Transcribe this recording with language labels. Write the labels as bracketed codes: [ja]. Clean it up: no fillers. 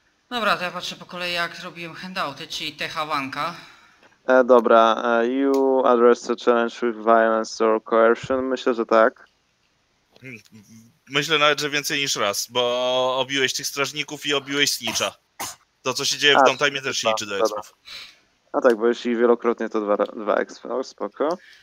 [pl] Dobra, to ja patrzę po kolei, jak robiłem handouty, czyli te hawanka. Dobra, [en] you address the challenge with violence or coercion? [pl] Myślę, że tak. Myślę nawet, że więcej niż raz, bo obiłeś tych strażników i obiłeś snitcha. To, co się dzieje w downtime, też się liczy do expów. A tak, bo jeśli wielokrotnie, to dwa exp, spoko.